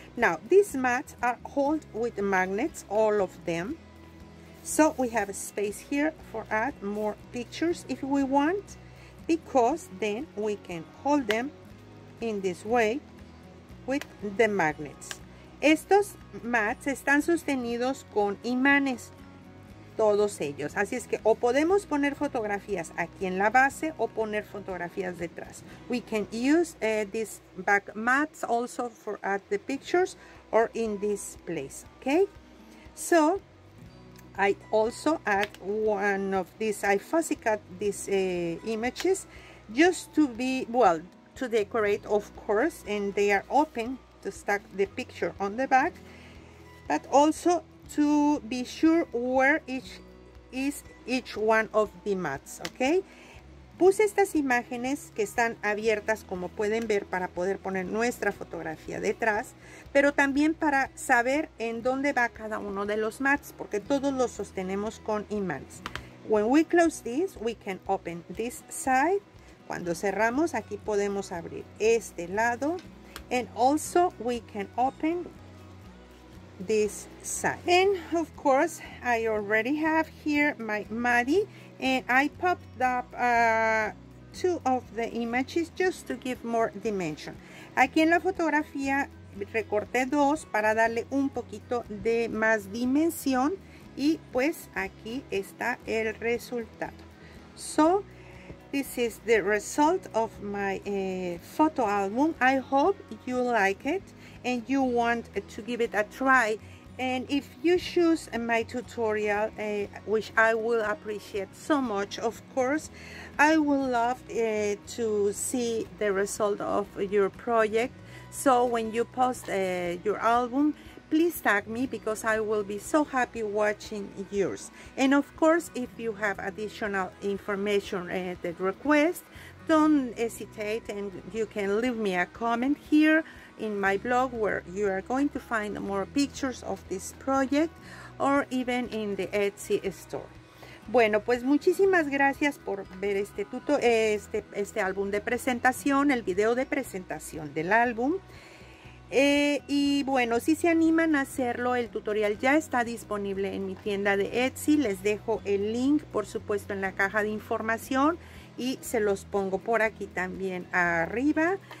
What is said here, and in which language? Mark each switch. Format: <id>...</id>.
<en>Now these mats are held with magnets, all of them. So we have a space here for add more pictures if we want, because then we can hold them in this way with the magnets.</en> <es>Estos mats están sostenidos con imanes, todos ellos. Así es que o podemos poner fotografías aquí en la base o poner fotografías detrás.</es> <en>We can use these back mats also for at the pictures or in this place, okay? So I also add one of these, I fussy cut these images just to be, well, to decorate, of course, and they are open to stack the picture on the back, but also to be sure where each is, each one of the mats, okay?</en> <es>Puse estas imágenes que están abiertas, como pueden ver, para poder poner nuestra fotografía detrás, pero también para saber en dónde va cada uno de los mats, porque todos los sostenemos con imanes.</es> <en>When we close this, we can open this side.</en> <es>Cuando cerramos, aquí podemos abrir este lado.</es> <en>And also, we can open this side. And of course, I already have here my Madi, and I popped up two of the images just to give more dimension.</en> <es>Aquí en la fotografía recorté dos para darle un poquito de más dimensión, y pues aquí está el resultado.</es> <en>So this is the result of my photo album. I hope you like it and you want to give it a try. And if you choose my tutorial, which I will appreciate so much, of course, I would love to see the result of your project. So when you post your album, please tag me, because I will be so happy watching yours. And of course, if you have additional information that request, don't hesitate, and you can leave me a comment here in my blog, where you are going to find more pictures of this project, or even in the Etsy store.</en> <es>Bueno, pues muchísimas gracias por ver este álbum de presentación, el video de presentación del álbum. Y bueno, si se animan a hacerlo, el tutorial ya está disponible en mi tienda de Etsy. Les dejo el link, por supuesto, en la caja de información, y se los pongo por aquí también arriba.</es>